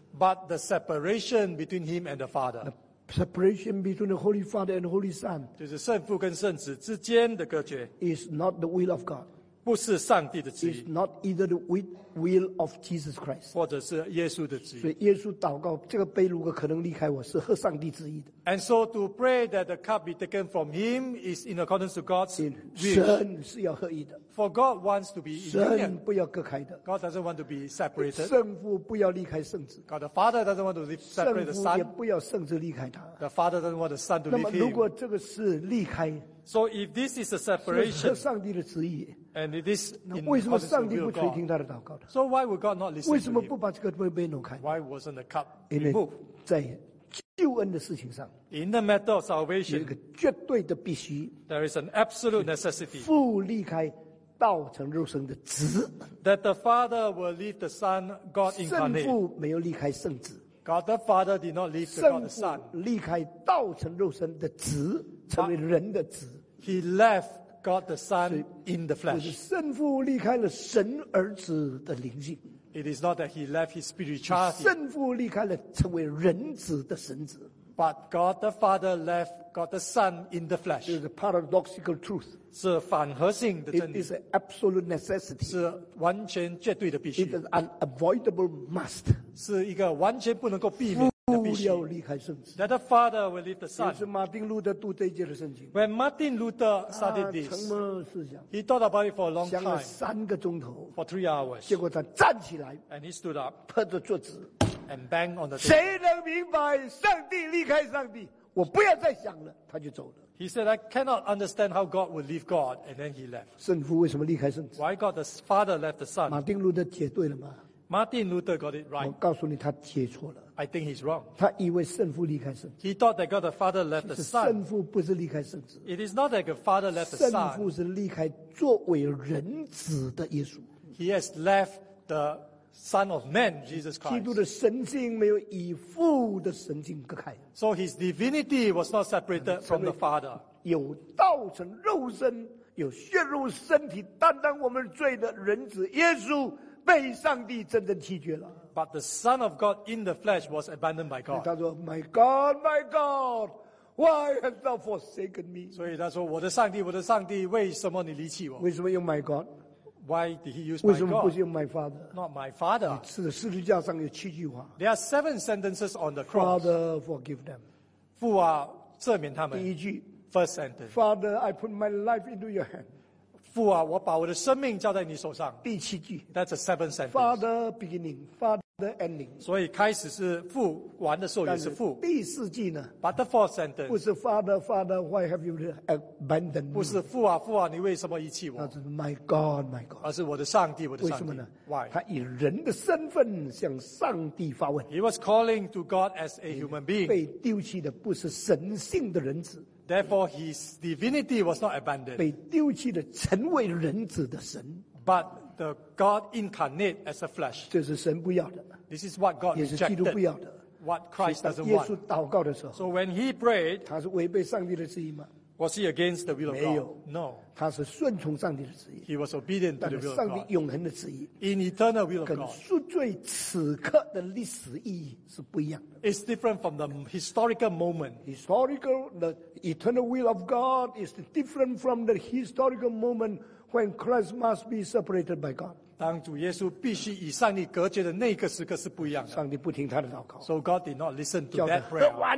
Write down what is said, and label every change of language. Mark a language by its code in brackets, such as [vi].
[en] But the separation between him and the Father. Separation between the Holy Father and the Holy Son [zh] 就是圣父跟圣子之间的隔绝 [en] is not the will of God [zh] 不是上帝的旨意 [en] is not either the will of Jesus Christ [zh] 或者是耶稣的旨意所以耶稣祷告这个杯如果可能离开我是合上帝旨意的 [en] and so to pray that the cup be taken from him is in accordance to God's will [zh] 神是要合一的 [en] for God wants to be [zh] 神不要隔开的 [en] God doesn't want to be separated [zh] 圣父不要离开圣子 [en] God the Father doesn't want to separate the Son [zh] 圣父也不要圣子离开他 [en] the Father doesn't want the Son to leave him [zh] 那么如果这个是离开 [en] so if this is a separation [zh] 是合上帝的旨意 [en] and it is in [zh] 为什么上帝不垂听他的祷告 [en] So why would God not listen? [zh] 为什么不把这个杯挪开 [en] ？Why wasn't the cup removed? [zh] 在救恩的事情上 [en] ，In the matter of salvation, [zh] 有一个绝对的必须 [en] ，There is an absolute necessity. [zh] 父离开道成肉身的子 [en] ，That the Father will leave the Son, God incarnate. [zh] 圣父没有离开圣子 [en] ，God the Father did not leave the God the Son. [zh] 圣父离开道成肉身的子，成为人的子 [en] ，He left. God the Son in the flesh. [zh] 就是圣父离开了神儿子的灵性。 [en] It is not that he left his spirituality. [zh] 圣父离开了成为人子的神子。 [en] But God the Father left God the Son in the flesh. It is a paradoxical truth. [zh] 是反合性的真理。 [en] It is an absolute necessity. [zh] 是完全绝对的必须。 [en] It is an unavoidable must. [zh] 是一个完全不能够避免。 [en] That the Father will leave the Son. [zh] 也是马丁路德读这一节的圣经。 [en] When Martin Luther studied this, [zh] 沉默思想, [en] he thought about it for a long time. [zh] 想了三个钟头, [en] for 3 hours. [zh] 结果他站起来, [en] and he stood up, [zh] 拍着桌子, [en] and banged on the table. [zh] 谁能明白上帝离开上帝, 我不要再想了, 他就走了。 [en] He said, I cannot understand how God would leave God, and then he left. [zh] 圣父为什么离开圣子? [en] Why God the Father left the Son? [zh] 马丁路德解对了吗? [en] Martin Luther got it right. [zh] 我告诉你他解错了。 [en] I think he's wrong. [zh] 他以为圣父离开圣子。 [en] He thought that God the Father left the Son. [zh] 圣父不是离开圣子。 [en] It is not that the Father left the Son. [zh] 圣父是离开作为人子的耶稣。 [en] He has left the Son of Man, Jesus Christ. [zh] 基督的神性没有以父的神性隔开。 [en] So his divinity was not separated from the Father. [zh] 有道成肉身，有血肉身体，担当我们罪的人子耶稣。 [en] But the Son of God in the flesh was abandoned by God. [zh] 他说, [en] my God, why hast thou forsaken me? [zh] 所以他说, 我的上帝, 我的上帝, 为什么你离弃我? 为什么用 [en] my God? Why did he use [zh] 为什么不是用 [en] my God? Not my Father. [zh] 是的，十字架上有七句话。 [en] There are 7 sentences on the cross. Father, forgive them. [zh] 父啊, 赦免他们。第一句, [en] first sentence. Father, I put my life into your hand. [zh] 父啊, 我把我的生命交在你手上。第七句, [en] That's a 7th sentence. Father beginning, Father ending. [zh] 所以开始是父, 完的时候也是父。第四句呢, [en] But the 4th sentence. [zh] 不是 [en] Father, Father, why have you abandoned me? [zh] 不是父啊, 父啊, 你为什么遗弃我? 那就是 [en] My God, my God. [zh] 而是我的上帝, 我的上帝。为什么呢? [en] Why? [zh] 他以人的身份向上帝发问。 [en] He was calling to God as a human being. [zh] 被丢弃的不是神性的人子。 [en] Therefore, his divinity was not abandoned. [zh] 被丢弃的成为人子的神, [en] but the God incarnate as a flesh. [zh] 这是神不要的, [en] this is what God rejected. What Christ doesn't want. [zh] 耶稣祷告的时候, [en] so when he prayed, [zh] 他是违背上帝的旨意吗? [en] Was he against the will of [zh] 没有, [en] God? No. [zh] 他是顺从上帝的旨意, [en] he was obedient to the will of God. [zh] 上帝永恒的旨意, [en] in eternal will of God. [zh] 跟赎罪此刻的历史意义是不一样的。 [en] It's different from the historical moment. Historical, the eternal will of God is different from the historical moment when Christ must be separated by God. [zh] 当主耶稣必须与上帝隔绝的那个时刻是不一样的。上帝不听他的祷告。 [en] So God did not listen to that prayer.